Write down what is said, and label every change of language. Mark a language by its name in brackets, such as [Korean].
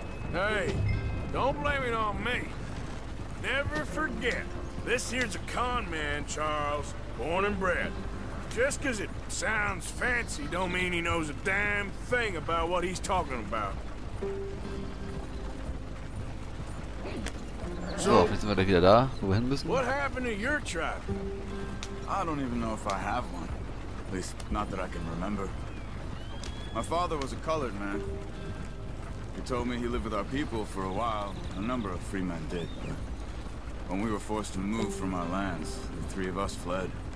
[English] Hey, don't blame it on me. Never forget, this here's a con man, Charles, born and bred. Just because it sounds fancy don't mean he knows a damn thing about what he's talking about. [German] So, jetzt sind wir gleich wieder da, wo wir hin müssen. [English] What happened to your tribe? I don't even know if I have one. At least, not that I can remember. My father was a colored man. He told me he lived with our people for a while. A number of free men did, but when we were forced to move from our lands, the three of us fled.